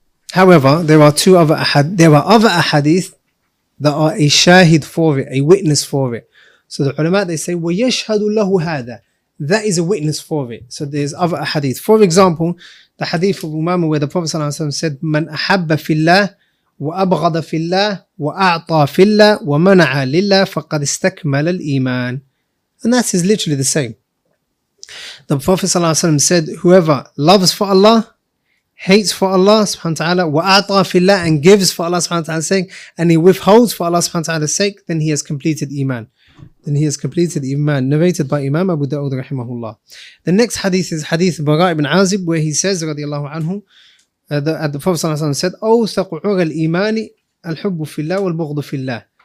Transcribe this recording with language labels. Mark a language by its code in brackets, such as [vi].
[en] However, there are two other ahad, there are other ahadith that are a shahid for it, a witness for it. So the ulama, they say, [ar] وَيَشْهَدُ لَهُ هَذَا, [en] that is a witness for it. So there's other ahadith. For example, the hadith of Umama where the Prophet said, [ar] مَنْ أَحَبَّ فِي اللَّهِ وَأَبْغَضَ فِي اللَّهِ وَأَعْطَى فِي اللَّهِ وَمَنَعَ لِلَّهِ فَقَدْ اسْتَكْمَلَ الْإِيمَانِ. [en] And that is literally the same. The Prophet said, whoever loves for Allah, hates for Allah subhanahu wa ta'ala, [ar] وَأَعْطَى فِي اللَّهِ, [en] and gives for Allah subhanahu wa ta'ala's sake, and he withholds for Allah subhanahu wa ta'ala's sake, then he has completed iman. Narrated by Imam Abu Dawud rahimahullah. The next hadith is hadith Bara ibn Azib, where he says, radiallahu anhu, that the Prophet said, [ar] أَوْثَقُ عُرَى الْإِيمَانِ الْحُبُّ فِي اللَّهِ وَالْبُغْضُ فِي اللَّهِ.